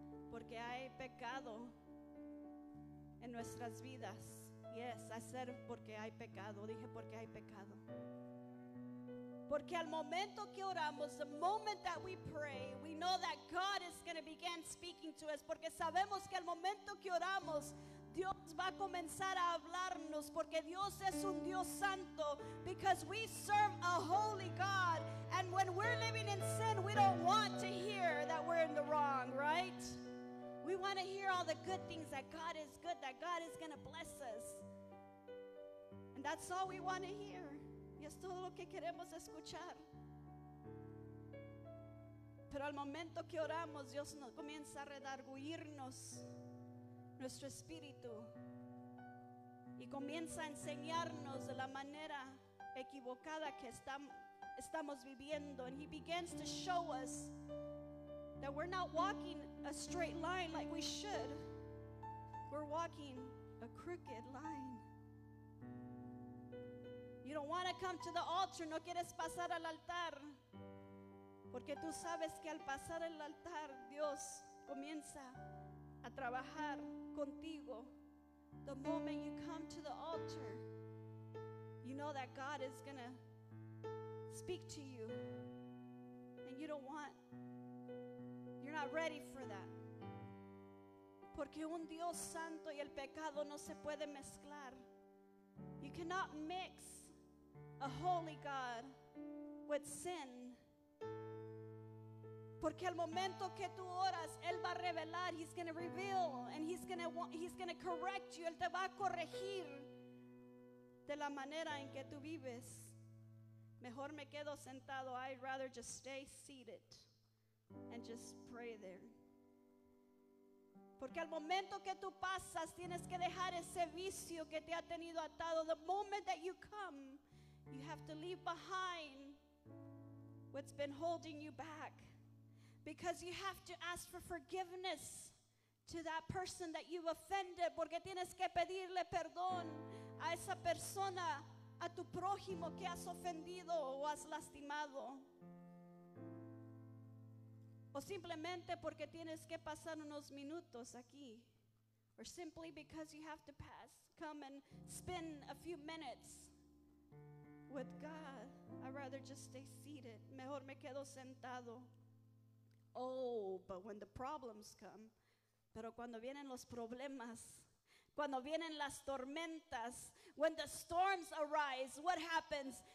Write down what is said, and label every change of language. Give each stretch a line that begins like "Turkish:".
Spanish: Porque hay pecado en nuestras vidas.
English: Yes, I said
Spanish: porque hay pecado. Dije porque hay pecado. Porque al momento que oramos,
English: the moment that we pray, we know that God is going to begin speaking to us.
Spanish: Porque sabemos que al momento que oramos, Dios va a comenzar a hablarnos. Porque Dios es un Dios santo.
English: Because we serve a holy God. And when we're living in sin, we don't want to hear that we're in the wrong, right? We want to hear all the good things, that God is good, that God is going to bless us. And that's all we want to hear.
Spanish: Y es todo lo que queremos escuchar. Pero al momento que oramos, Dios nos comienza a redarguirnos nuestro espíritu y comienza a enseñarnos de la manera equivocada que estamos viviendo.
English: And he begins to show us that we're not walking a straight line like we should. We're walking a crooked line. You don't want to come to the altar.
Spanish: No quieres pasar al altar. Porque tú sabes que al pasar el altar, Dios comienza a trabajar contigo.
English: The moment you come to the altar, you know that God is going to speak to you. And you don't want, you're not ready for that.
Spanish: Porque un Dios santo y el pecado no se puede mezclar.
English: You cannot mix a holy God with sin.
Spanish: Porque al momento que tú oras, Él va a revelar,
English: He's going to reveal, and He's going to correct you.
Spanish: Él te va a corregir de la manera en que tú vives. Mejor me quedo sentado.
English: I'd rather just stay seated and just pray there.
Spanish: Porque al momento que tú pasas, tienes que dejar ese vicio que te ha tenido atado.
English: The moment that you come, you have to leave behind what's been holding you back. Because you have to ask for forgiveness to that person that you've offended.
Spanish: Porque tienes que pedirle perdón a esa persona, a tu prójimo que has ofendido o has lastimado. O simplemente porque tienes que pasar unos minutos aquí.
English: Or simply because you have to pass, come and spend a few minutes with God. I'd rather just stay seated.
Spanish: Mejor me quedo sentado.
English: Oh, but when the problems come,
Spanish: pero cuando vienen los problemas, cuando vienen las tormentas,
English: when the storms arise, what happens?